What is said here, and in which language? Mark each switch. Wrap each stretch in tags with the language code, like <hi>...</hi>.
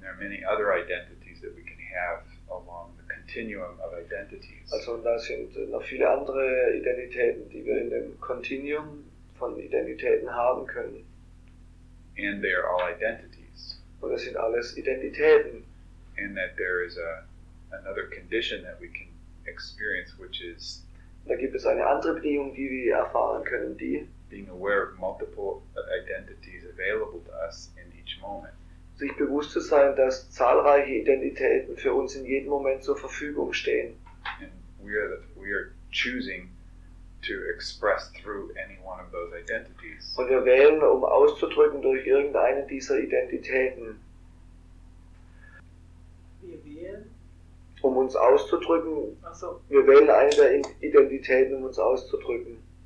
<en>There are many other identities that we can have along the continuum of identities.</en> <de>Also da sind noch viele andere Identitäten, die wir in dem Kontinuum von Identitäten haben können.</de> <en>And they are all identities.</en> <de>Und das sind alles Identitäten.</de> <en>And that there is another condition that we can experience, which is.</en> <de>Da gibt es eine andere Bedingung, die wir erfahren können, die.</de> <en>Being aware of multiple identities available to us in each moment.</en> <de>Sich bewusst zu sein, dass zahlreiche Identitäten für uns in jedem Moment zur Verfügung stehen.</de> <en>And we are choosing to express through any one of those identities.</en> <de>Und wir wählen, um auszudrücken durch irgendeine dieser Identitäten. Wir wählen. Um uns auszudrücken. Ach so. Wir wählen eine der Identitäten, um uns auszudrücken.</de>